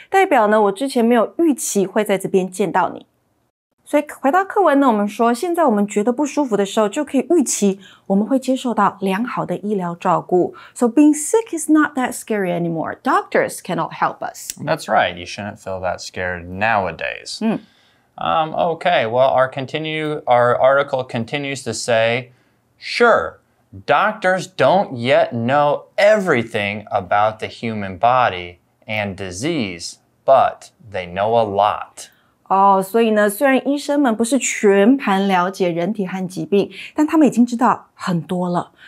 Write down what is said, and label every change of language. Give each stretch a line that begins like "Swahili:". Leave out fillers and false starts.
Chinese: 代表呢，我之前没有预期会在这边见到你。所以回到课文呢，我们说现在我们觉得不舒服的时候就可以预期我们会接受到良好的医疗照顾。
English: So being sick is not that scary anymore. Doctors cannot help us. That's right. You shouldn't feel that scared nowadays. Okay, well, our article continues to say, sure, doctors don't yet know everything about the human body and disease, but they know a lot.
Chinese: 所以呢，虽然医生们不是全盘了解人体和疾病，但他们已经知道很多了。